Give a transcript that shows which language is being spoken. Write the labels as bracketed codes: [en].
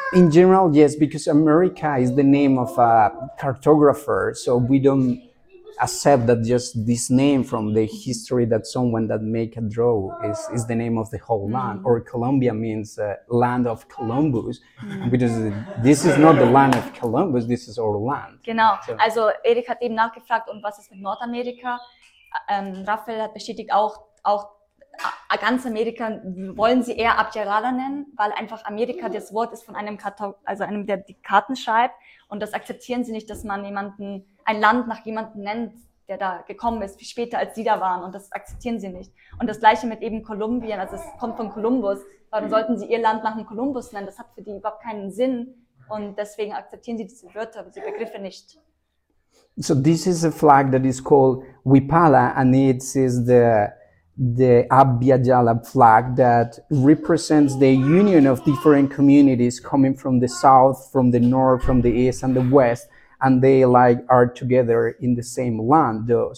[en] In general, yes, because America is the name of a cartographer, so we don't accept that just this name from the history that someone that make a draw is the name of the whole land. Or Colombia means land of Columbus, because this is not the land of Columbus, this is our land. [de] Genau, so. Also Erik hat eben nachgefragt, und was ist mit Nordamerika? Rafael hat bestätigt, auch ganz Amerika wollen sie eher Abya-Jala nennen, weil einfach Amerika das Wort ist von einem, der die Karten schreibt, und das akzeptieren sie nicht, dass man jemanden ein Land nach jemandem nennt, der da gekommen ist, viel später als sie da waren, und das akzeptieren sie nicht. Und das gleiche mit eben Kolumbien, also es kommt von Kolumbus, warum sollten sie ihr Land nach dem Kolumbus nennen? Das hat für die überhaupt keinen Sinn, und deswegen akzeptieren sie diese Wörter, diese Begriffe nicht. [en] So this is a flag that is called Wipala, and it is the Abya Jala flag that represents the union of different communities coming from the south, from the north, from the east and the west, and they like are together in the same land though.